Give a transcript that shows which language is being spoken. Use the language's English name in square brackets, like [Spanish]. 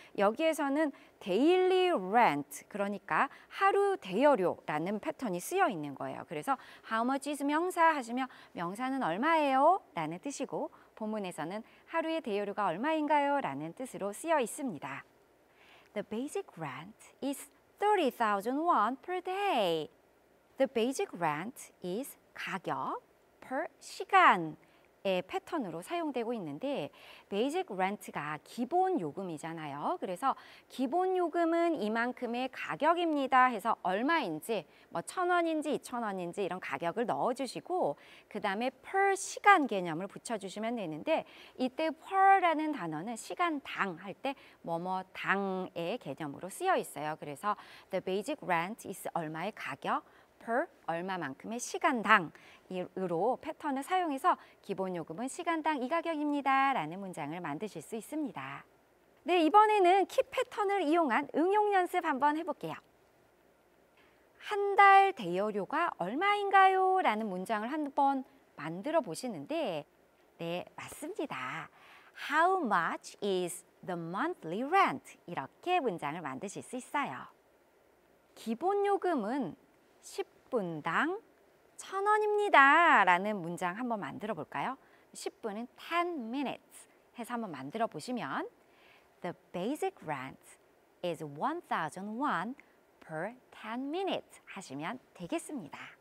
[Korean] 여기에서는 daily rent, 그러니까 하루 대여료라는 패턴이 쓰여 있는 거예요. 그래서 [English] how much is [Korean] 명사 하시면 명사는 얼마예요? 라는 뜻이고 본문에서는 하루의 대여료가 얼마인가요? 라는 뜻으로 쓰여 있습니다. [English] The basic rent is 30,000 won per day. The basic rent is [Korean] 가격 per 시간의 패턴으로 사용되고 있는데 basic rent가 기본 요금이잖아요. 그래서 기본 요금은 이만큼의 가격입니다 해서 얼마인지 뭐 1,000원인지 2,000원인지 이런 가격을 넣어주시고 그 다음에 per 시간 개념을 붙여주시면 되는데 이때 per라는 단어는 시간당 할 때 뭐뭐 당의 개념으로 쓰여 있어요. 그래서 [English] the basic rent is [Korean] 얼마의 가격 per 얼마만큼의 시간당으로 패턴을 사용해서 기본 요금은 시간당 이 가격입니다 라는 문장을 만드실 수 있습니다. 네, 이번에는 키 패턴을 이용한 응용 연습 한번 해볼게요. 한 달 대여료가 얼마인가요? 라는 문장을 한번 만들어 보시는데 네, 맞습니다. [English] How much is the monthly rent? [Korean] 이렇게 문장을 만드실 수 있어요. 기본 요금은 10분당 1,000원입니다 라는 문장 한번 만들어 볼까요? 10분은 [English] 10 minutes [Korean] 해서 한번 만들어 보시면 [English] The basic rent is 1,000 won per 10 minutes [Korean] 하시면 되겠습니다.